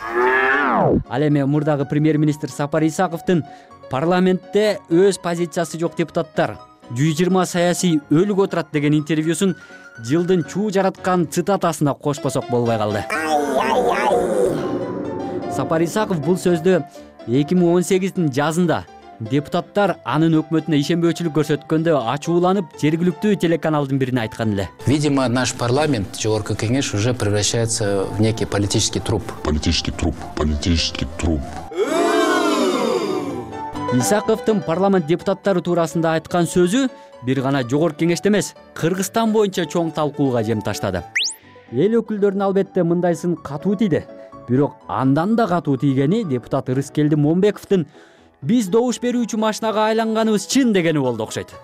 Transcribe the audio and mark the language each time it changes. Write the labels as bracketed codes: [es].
[ky] Ал эми мурдагы премьер-министр Сапар Исаковдун парламентте өз позициясы жок депутаттар 120 саясий өлүк отурат деген интервьюсун жылдын чуу жараткан цитатасына кошпосок болбой калды. Сапар Исаков бул сөздү 2018-нын жазында депутаттар анын өкмөтүнө ишенбөөчүлүк көрсөткөндө ачууланып жергиликтүү телеканалдын бирине айткан эле. [ru] Видимо, наш парламент, Жогорку Кеңеш уже превращается в некий политический труп. Политический труп, политический труп. [ky] Исаковдун парламент депутаттары туурасында айткан сөзү бир гана Жогорку Кеңеште эмес, Кыргызстан боюнча чоң талкууга жем таштады. Эл өкүлдөрүн албетте мындайсын катуу тийди. Бирок андан да катуу тийгени депутат Рыскелди Момбековдун биз добуш берүүчү машинага айланганыбыз чын дегени болду окшойт.